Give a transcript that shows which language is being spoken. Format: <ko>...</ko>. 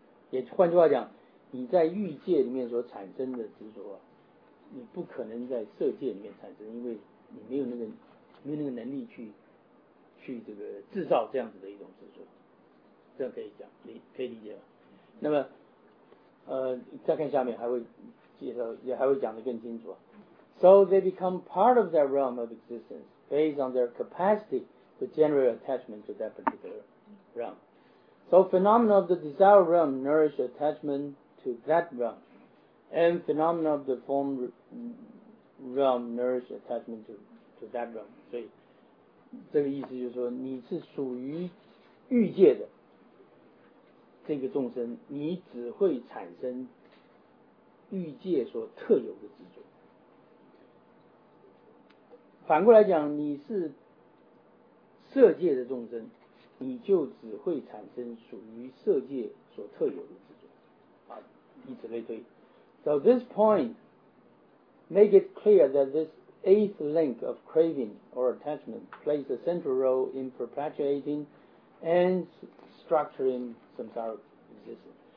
<zh>也换句话讲，你在欲界里面所产生的执着，你不可能在色界里面产生，因为你没有那个能力去这个制造这样子的一种执着，这样可以讲，你可以理解吧？那么，再看下面还会介绍，也还会讲得更清楚。</zh> <en>So they become part of that realm of existence based on their capacity to generate attachment to that particular realm. So phenomena of the desire realm nourish attachment to that realm, and phenomena of the form realm nourish attachment to that realm.</en> <zh>所以这个意思就是说，你是属于欲界的这个众生，你只会产生欲界所特有的执着。反过来讲，你是色界的众生，你就只会产生属于色界所特有的执着，啊，以此类推。</zh> <en>So this point make it clear that this eighth link of craving or attachment plays a central role in perpetuating and structuring samsara existence.</en>